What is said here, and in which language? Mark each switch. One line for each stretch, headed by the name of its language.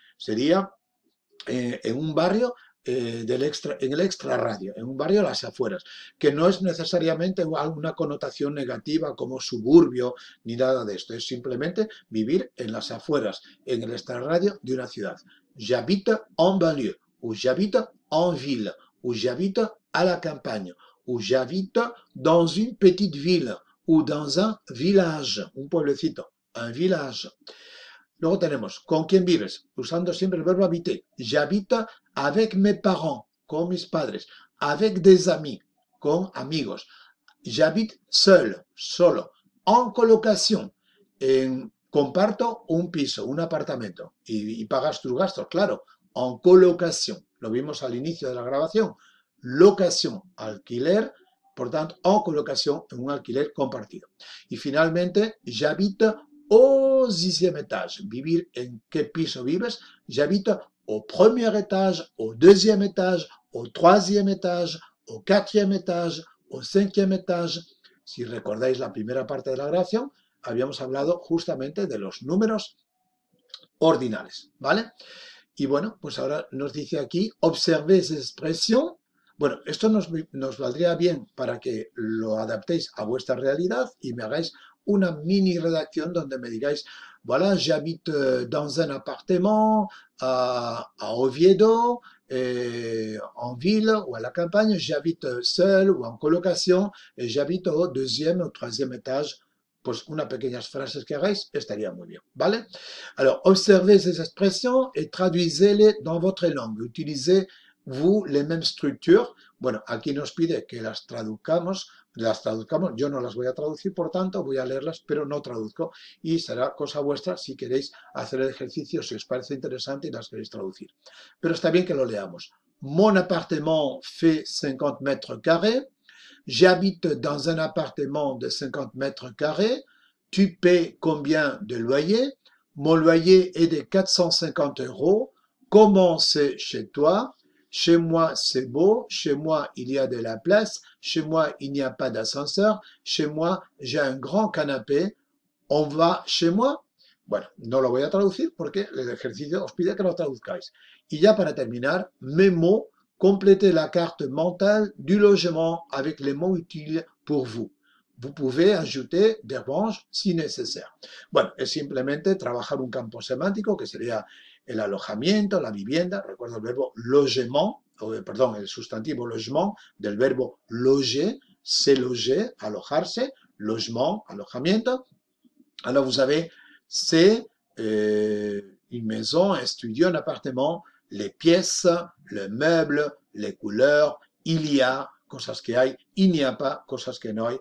Spanish: Sería en un barrio. Del extra, en el extrarradio, en un barrio a las afueras, que no es necesariamente alguna connotación negativa como suburbio ni nada de esto, es simplemente vivir en las afueras, en el extrarradio de una ciudad.
French: J'habite en banlieue, ou j'habite en ville, ou j'habite à la campagne, ou j'habite dans une petite ville, ou dans un village,
Spanish: un pueblecito,
French: un village.
Spanish: Luego tenemos, ¿con quién vives? Usando siempre el verbo habiter.
French: J'habite avec mes parents,
Spanish: con mis padres.
French: Avec des amis,
Spanish: con amigos.
French: J'habite seul, solo.
Spanish: En colocación, comparto un piso, un apartamento. Y pagas tus gastos, claro. En colocación, lo vimos al inicio de la grabación. Locación, alquiler. Por tanto, en colocación, en un alquiler compartido.
French: Y finalmente, j'habite au sixième étage,
Spanish: vivir en qué piso vives,
French: j'habite au premier étage, au deuxième étage, au troisième étage, au quatrième étage, au cinquième étage.
Spanish: Si recordáis la primera parte de la grabación, habíamos hablado justamente de los números ordinales, ¿vale? Y bueno, pues ahora nos dice aquí, observez esa expresión. Bueno, esto nos valdría bien para que lo adaptéis a vuestra realidad y me hagáis una mini redacción donde me digáis,
French: voilà, j'habite dans un appartement à Oviedo, en ville ou à la campagne, j'habite seul ou en colocation, et j'habite au deuxième ou troisième étage.
Spanish: Pues unas pequeñas frases que hagáis estaría muy bien, ¿vale?
French: Alors, observez ces expressions et traduisez-les dans votre langue. Utilisez, vous, les mêmes structures.
Spanish: Bueno, aquí nos pide que las traduzcamos. Las traduzcamos, yo no las voy a traducir, por tanto, voy a leerlas, pero no traduzco. Y será cosa vuestra si queréis hacer el ejercicio, si os parece interesante y las queréis traducir. Pero está bien que lo leamos.
French: Mon appartement fait 50 mètres carrés. J'habite dans un appartement de 50 mètres carrés. Tu paies combien de loyer? Mon loyer est de 450 euros. Comment c'est chez toi? Chez moi, c'est beau. Chez moi, il y a de la place. Chez moi, il n'y a pas d'ascenseur. Chez moi, j'ai un grand canapé. On va chez moi.
Spanish: Bueno, no lo voy a traducir porque el ejercicio os pide que lo traduzcáis. Y ya para terminar,
French: mes mots, complétez la carte mentale du logement avec les mots utiles pour vous. Vous pouvez ajouter des branches si nécessaire.
Spanish: Bueno, es simplemente trabajar un campo semántico que sería el alojamiento, la vivienda, recuerda el verbo logement, perdón, el sustantivo logement del verbo loger, se loger, alojarse, logement, alojamiento.
French: Ahora vous avez, c'est une maison, un studio, un appartement, les pièces, le meuble, les couleurs, il y a,
Spanish: cosas que hay,
French: il n'y a pas,
Spanish: cosas que no hay.